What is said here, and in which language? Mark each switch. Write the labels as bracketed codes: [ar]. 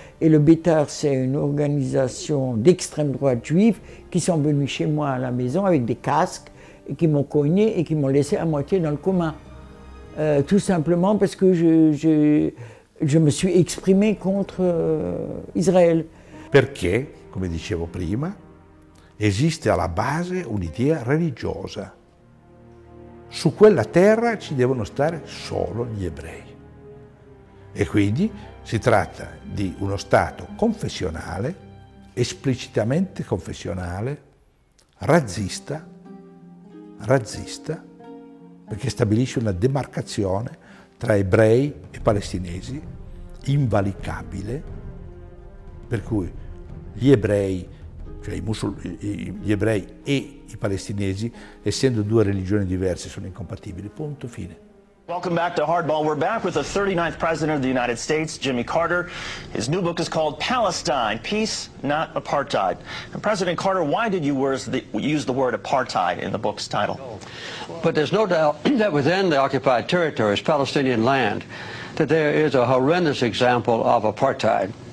[fr] Et le Betar, c'est une organisation d'extrême droite juive qui sont venus chez moi à la maison avec des casques et qui m'ont cogné et qui m'ont laissé à moitié dans le coma. Tout simplement parce que je me suis exprimé contre Israël. [it] Perché, come dicevo prima, esiste alla base un'idea religiosa. Su quella terra ci devono stare solo gli ebrei. E quindi si tratta di uno stato confessionale, esplicitamente confessionale, razzista, perché stabilisce una demarcazione tra ebrei e palestinesi invalicabile, per cui gli ebrei, cioè gli ebrei e i palestinesi, essendo due religioni diverse, sono incompatibili. Punto fine. [en] Welcome back to Hardball. We're back with the 39th President of the United States, Jimmy Carter. His new book is called Palestine, Peace, Not Apartheid. And President Carter, why did you use the word apartheid in the book's title? But there's no doubt that within the occupied territories, Palestinian land, that there is a horrendous example of apartheid.